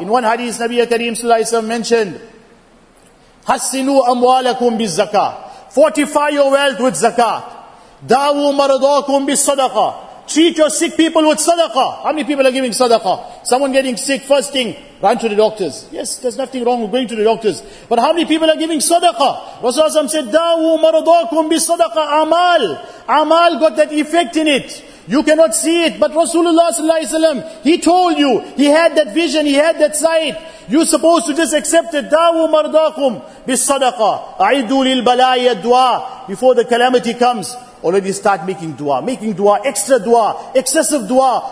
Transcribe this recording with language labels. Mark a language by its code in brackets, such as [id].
[en] In one hadith, Nabi Kareem sallallahu alayhi wa sallam mentioned, [ar] حَسِّنُوا أَمْوَالَكُمْ بِالزَّكَاةِ. [en] Fortify your wealth with zakat. [ar] دَعُوا مَرَضَاكُمْ بِالصَّدَقَةِ. [en] Treat your sick people with sadaqah. How many people are giving sadaqah? Someone getting sick, first thing, run to the doctors. Yes, there's nothing wrong with going to the doctors. But how many people are giving sadaqah? Rasulullah said, [ar] دَعُوا مَرَضَاكُمْ بِالصَّدَقَةِ. [en] Amal. Amal got that effect in it. You cannot see it, but Rasulullah sallallahu alaihi wasallam, he told you, he had that vision, he had that sight. You're supposed to just accept it. [ar] Da'u mardakum bis-sadaqa. A'idu lil-bala'i ad-du'a. [en] Before the calamity comes, already start making dua. Making dua, extra dua, excessive dua.